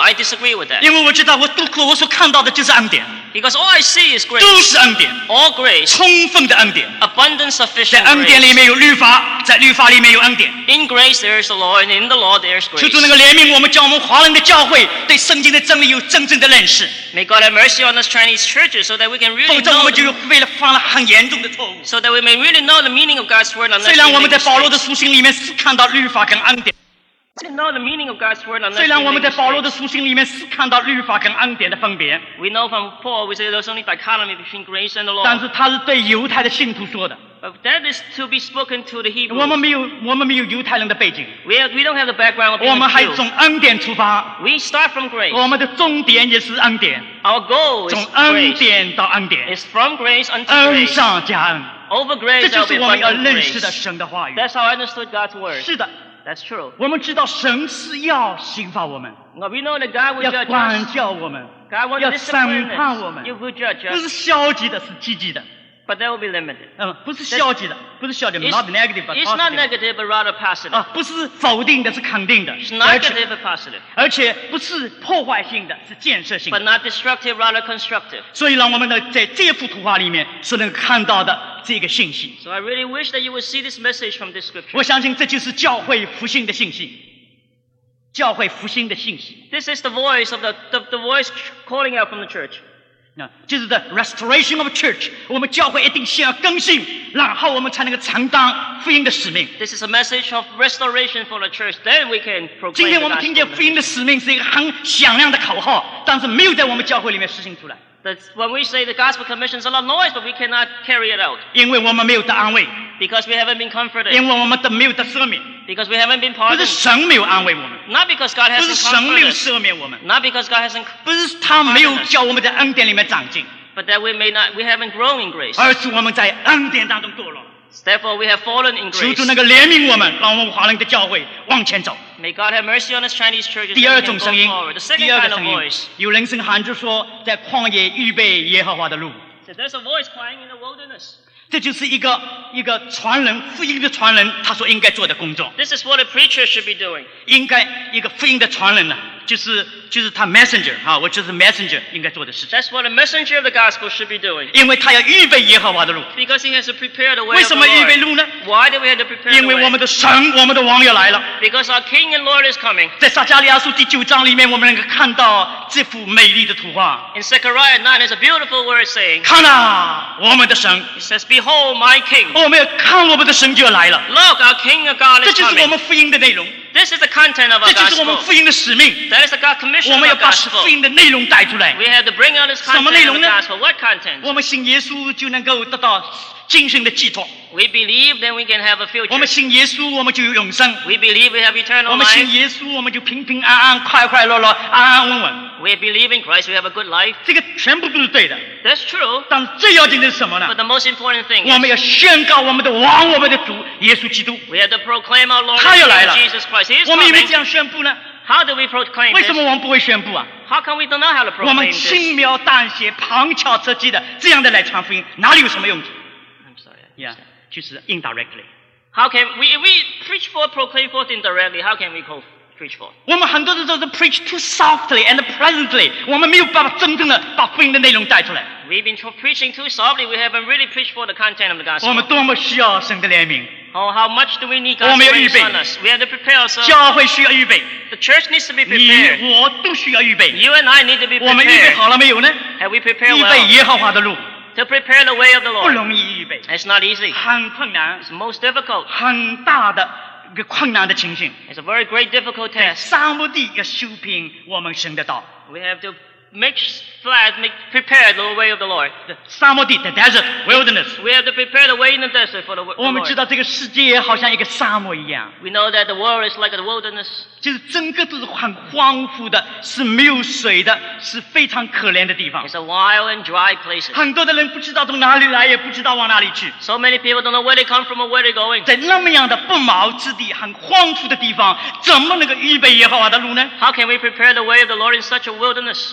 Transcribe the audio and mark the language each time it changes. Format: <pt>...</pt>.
<en>I disagree with that.</en> <zh>因为我知道我读过，我所看到的就是恩典。</zh> <en>Because all I see is grace.</en> <zh>都是恩典。</zh> <en>All grace.</en> <zh>充分的恩典。</zh> <en>Abundant sufficient grace.</en> <zh>在恩典里面有律法，在律法里面有恩典。</zh> <en>In grace there is the law, and in the law there is grace.</en> <zh>求主能够怜悯我们，叫我们华人的教会对圣经的真理有真正的认识。</zh> <en>May God have mercy on us Chinese churches so that we can really know.</en> <zh>否则我们就为了犯了很严重的错误。</zh> <en>So that we may really know the meaning of God's word.</en> <zh>虽然我们在保罗的书信里面是看到律法跟恩典。</zh> <en>We know the meaning of God's word.</en> <zh>虽然我们在保罗的书信里面是看到律法跟恩典的分别。</zh> <en>We know from Paul, we say there's only dichotomy between grace and the law.</en> <zh>但是他是对犹太的信徒说的。</zh> <en>But that is to be spoken to the Hebrews.</en> <zh>我们没有犹太人的背景。</zh> <en>We don't have the background of being a Jew.</en> <zh>我们还从恩典出发。</zh> <en>We start from grace.</en> <zh>我们的终点也是恩典。</zh> <en>Our goal is</en> <zh>从恩典到恩典。</zh> <en>It's from grace unto grace.</en> <zh>恩上加恩。</zh> <en>Over grace,</en> <zh>这就是我们要认识的神的话语。</zh> <en>That's how I understood God's word.</en> <zh>是的。</zh> <en>That's true.</en> <zh>我们知道神是要刑罚我们</zh> <en>no, we know that God will</en> <zh>要管教我们</zh> <en>God will</en> <zh>要审判我们</zh> <en>you will judge us.</en> <zh>不是消极的是积极的</zh> <en>but that will be limited.</en> <zh>不是消极的不是消极的</zh> <en>not negative but positive it's not negative but rather positive</en> <zh>不是否定的是肯定的</zh> <en>it's not negative but positive</en> <zh>而且不是破坏性的是建设性的</zh> <en>but not destructive rather constructive</en> <zh>所以让我们呢在这幅图画里面所能看到的这个信息</zh> <en>So I really wish that you would see this message from this scripture.</en> <zh>我相信这就是教会复兴的信息。教会复兴的信息。</zh> <en>This is the voice of the voice calling out from the church.</en> <zh>就是</zh> <en>the restoration of a church.</en> <zh>我们教会一定先要更新，然后我们才能够承担福音的使命。</zh> <en>This is a message of restoration for the church. Then we can proclaim.</en> <zh>今天我们听见福音的使命是一个很响亮的口号，但是没有在我们教会里面实行出来。</zh> <en>When we say the gospel commission is a lot of noise, but we cannot carry it out.</en> <zh>因为我们没有得安慰。</zh> <en>Because we haven't been comforted.</en> <zh>因为我们没有得赦免。</zh> <en>Because we haven't been pardoned.</en> <zh>不是神没有安慰我们。</zh> <en>Not because God hasn't comforted us.</en> <zh>不是神没有赦免我们。</zh> <en>Not because God hasn't comforted us.</en> <zh>不是他没有叫我们在恩典里面长进。</zh> <en>But that we haven't grown in grace.</en> <zh>而是我们在恩典当中堕落。</zh> <en>Therefore, we have fallen in grace.</en> <zh>求主能够怜悯我们，让我们华人的教会往前走。</zh> <en>May God have mercy on His Chinese church.</en> <zh>第二种声音，</zh> <en>the second</en> <zh>第二个</zh> <en>kind of</en> <zh>声音，</zh> <en>voice.</en> <zh>有人声喊着说，在旷野预备耶和华的路。</zh> <en>So there's a voice crying in the wilderness.</en> <zh>这就是一个传人福音的传人他所应该做的工作。</zh> <en>This is what a preacher should be doing.</en> <zh>应该一个福音的传人呢，就是他 messenger 哈，我就是 messenger 应该做的事情。</zh> <en>That's what a messenger of the gospel should be doing.</en> <zh>因为他要预备耶和华的路。</zh> <en>Because he has to prepare the way.</en> <zh>为什么预备路呢</zh> <en>？Why do we have to prepare?</en> <zh>因为我们的神，我们的王要来了。</zh> <en>Because our King and Lord is coming.</en> <zh>在撒迦利亚书第九章里面，我们能够看到这幅美丽的图画。</zh> <en>In Zechariah 9, there's a beautiful word saying.</en> <zh>看啊，我们的神。</zh> <en>It says, "Behold, my King."</en> <zh>我们要看我们的神就来了。</zh> <en>Look, our King and God is coming.</en> <zh>这就是我们福音的内容。</zh> <en>This is the content of our gospel.</en> <zh>这就是我们福音的使命。</zh> <en>That is the God commission.</en> <zh>我们要把福音的内容带出来。</zh> <en>We have to bring out this content.</en> <zh>什么内容呢</zh> <en>？What content?</en> <zh>我们信耶稣就能够得到精神的寄托。</zh> <en>We believe, then we can have a future.</en> <zh>我们信耶稣，我们就有永生。</zh> <en>We believe we have eternal life.</en> <zh>我们信耶稣，我们就平平安安、快快乐乐、安安稳稳。</zh> <en>We believe in Christ, we have a good life.</en> <zh>这个全部都是对的。</zh> <en>That's true.</en> <zh>但最要紧的是什么呢</zh> <en>？But the most important thing.</en> <zh>我们要宣告我们的王，我们的主耶稣基督。</zh> <en>We have to proclaim our Lord.</en> <zh>他要来了。</zh> <en>Jesus Christ, He is coming.</en> <zh>我们有没有这样宣布呢</zh> <en>？How do we proclaim?</en> <zh>为什么我们不会宣布啊</zh> <en>？How come we do not have to proclaim?</en> <zh>我们轻描淡写、旁敲侧击的这样的来传福音，哪里有什么用处</zh> <en>？I'm sorry. Yeah.</en> <zh>就是</zh> <en>indirectly. How can we preach for, proclaim forth indirectly? How can we call? preach for.</en> <zh>我们很多的都是</zh> <en>preach too softly and pleasantly.</en> <zh>我们没有办法真正的把福音的内容带出来。</zh> <en>We've been preaching too softly. We haven't really preached for the content of the gospel.</en> <zh>我们多么需要神的怜悯。</zh> <en>Oh, how much do we need God's grace on us? We have to prepare ourselves.</en> <zh>教会需要预备。</zh> <en>The church needs to be prepared.</en> <zh>你我都需要预备。</zh> <en>You and I need to be prepared.</en> <zh>我们预备好了没有呢？</zh> <en>Have we prepared well?</en> <zh>预备耶和华的路。</zh> <en>To prepare the way of the Lord.</en> <zh>不容易预备。</zh> <en>It's not easy.</en> <zh>很困难。</zh> <en>It's most difficult.</en> <zh>很大的一个困难的情形。</zh> <en>It's a very great difficult test.</en> <zh>撒母地要修平我们神的道。</zh> <en>We have to make flat, make prepare the way of the Lord. 撒母地 the desert, wilderness. We have to prepare the way in the desert for the Lord.</en> <zh>我们知道这个世界好像一个沙漠一样。</zh> <en>We know that the world is like a wilderness.</en> <zh>就是整个都是很荒芜的，是没有水的，是非常可怜的地方。</zh> <en>It's a wild and dry place.</en> <zh>很多的人不知道从哪里来，也不知道往哪里去。</zh> <en>So many people don't know where they come from or where they're going.</en> <zh>在那么样的不毛之地，很荒芜的地方，怎么能够预备耶和华的路呢？</zh> <en>How can we prepare the way of the Lord in such a wilderness?</en>